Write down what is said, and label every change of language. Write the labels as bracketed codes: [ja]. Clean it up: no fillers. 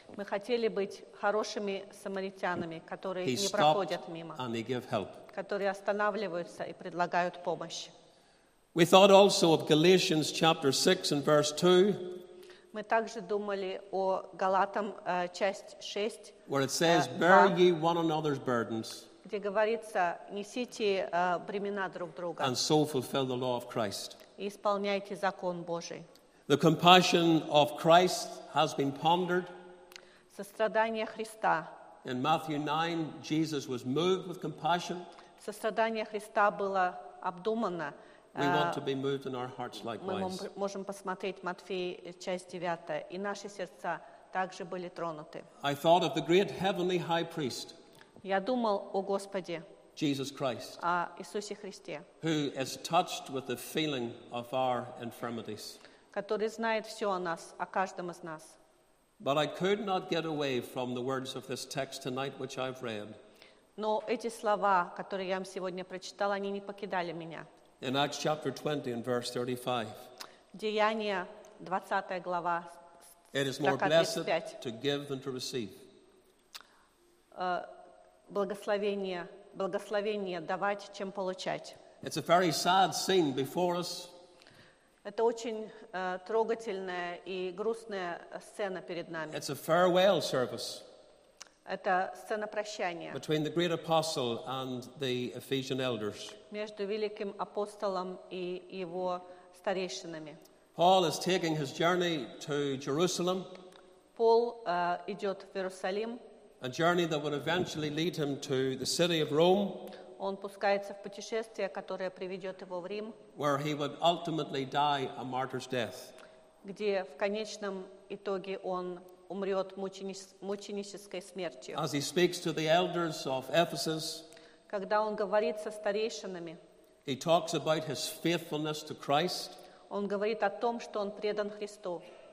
[ru] Мы хотели быть хорошими самаритянами, которые he не проходят мимо. [en] And they give help. [ru] Которые останавливаются и предлагают помощь. [en] We thought also of Galatians chapter 6 and verse 2. [ru] Мы также думали о Галатам часть 6. [en] Where it says, "Bear ye one another's burdens." [ru] Где говорится, несите бремена друг друга. [en] And so fulfill the law of Christ. [ru] И исполняйте закон Божий. [en] The compassion of Christ has been pondered. [ru] Сострадание Христа. [en] In Matthew 9, Jesus was moved with compassion. [ru] Сострадание Христа было обдумано. [en] We want to be moved in our hearts likewise. [ru] Мы можем посмотреть Матфея, часть 9, и наши сердца также были тронуты. [en] I thought of the great heavenly high priest. [ru] Я думал о Господе. [en] Jesus Christ, [ru] Иисусе Христе, [en] who is touched with the feeling of our infirmities, [ru] который знает все о нас, о каждом из нас. [en] But I could not get away from the words of this text tonight, which I've read. [ru] Но эти слова, которые я вам сегодня прочитала, они не покидали меня. [en] In Acts chapter 20 and verse 35. [ru] Деяния 20 глава. [en] It is more blessed to give than to receive. [ru] Благословение. Благословение давать, чем получать. [en] It's a very sad scene before us. [ru] Это очень трогательная и грустная сцена перед нами. [en] It's a farewell service. [ru] Это сцена прощания. [en] Between the great apostle and the Ephesian elders. [ru] Между великим апостолом и его старейшинами. [en] Paul is taking his journey to Jerusalem. [ru] Paul идет в Иерусалим. [en] A journey that would eventually lead him to the city of Rome. [ru] Он пускается в путешествие, которое приведет его в Рим. [en] Where he would ultimately die a martyr's death. [ru] Где в конечном итоге он умрет мученической смертью. [en] As he speaks to the elders of Ephesus. [ru] Когда он говорит со старейшинами. [en] He talks about his faithfulness to Christ. [ru] Он говорит о том, что он предан Христу.